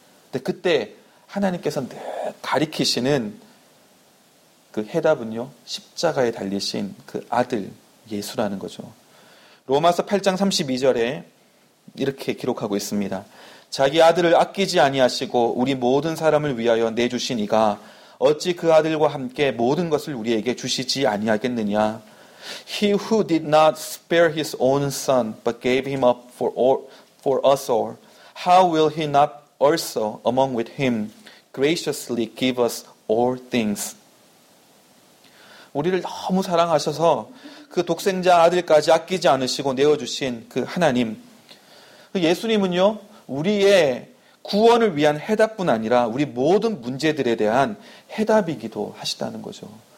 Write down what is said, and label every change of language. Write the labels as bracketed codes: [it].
[ko] 근데 그때 하나님께서 늘 가리키시는 그 해답은요, 십자가에 달리신 그 아들 예수라는 거죠. 로마서 8장 32절에 이렇게 기록하고 있습니다. 자기 아들을 아끼지 아니하시고 우리 모든 사람을 위하여 내주신 이가 어찌 그 아들과 함께 모든 것을 우리에게 주시지 아니하겠느냐. [en] He who did not spare his own son but gave him up for us all, how will he not also, among with him, graciously give us all things. [ko] 우리를 너무 사랑하셔서 그 독생자 아들까지 아끼지 않으시고 내어주신 그 하나님. 예수님은요, 우리의 구원을 위한 해답뿐 아니라 우리 모든 문제들에 대한 해답이기도 하시다는 거죠.